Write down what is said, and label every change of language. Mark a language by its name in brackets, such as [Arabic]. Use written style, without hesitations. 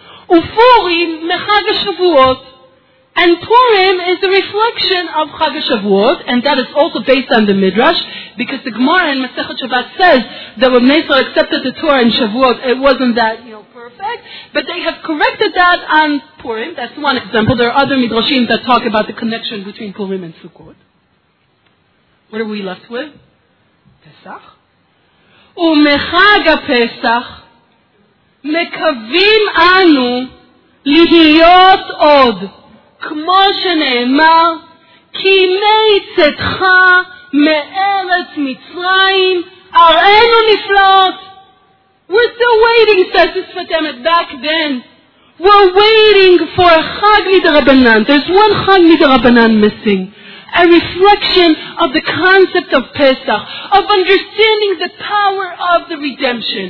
[English] Ufurim mechag ha-shavuot, and Purim is a reflection of Chag ha-shavuot, and that is also based on the Midrash, because the Gemara in Masechet Shabbat says that when Bnei Yisrael accepted the Torah in Shavuot, it wasn't that, you know, perfect, but they have corrected that on Purim. That's one example. There are other Midrashim that talk about the connection between Purim and Sukkot. What are we left with? Pesach. [Hebrew] ומחג הפסח מקווים אנו להיות עוד, כמו שנאמר, כי מיצאתך מארץ מצרים אראנו נפלאות. [English] We're still waiting, says the Sfatemet, back then. We're waiting for a chag midrabanan. There's one chag midrabanan missing. A reflection of the concept of Pesach, of understanding the power of the redemption.